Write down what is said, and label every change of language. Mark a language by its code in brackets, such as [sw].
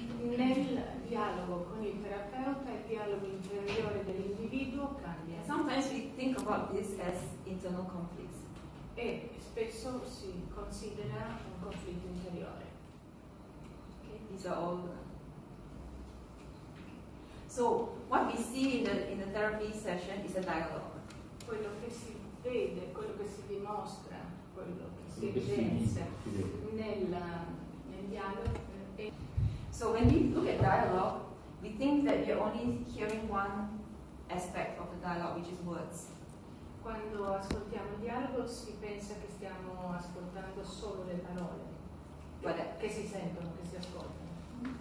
[it] Nel dialogo con il terapeuta, il dialogo interiore dell'individuo cambia. [en] Sometimes we think about this as internal conflicts. [it] E spesso si considera un conflitto interiore. [en] Okay, these are all. So what we see in the therapy session is a dialogue. [it] Quello che si vede, quello che si dimostra, quello che si evidenzia nel dialogo. [en] So when we look at dialogue, we think that we're only hearing one aspect of the dialogue, which is words. [it] Quando ascoltiamo dialogo, si pensa che stiamo ascoltando solo le parole, che si sentono, che si ascoltano.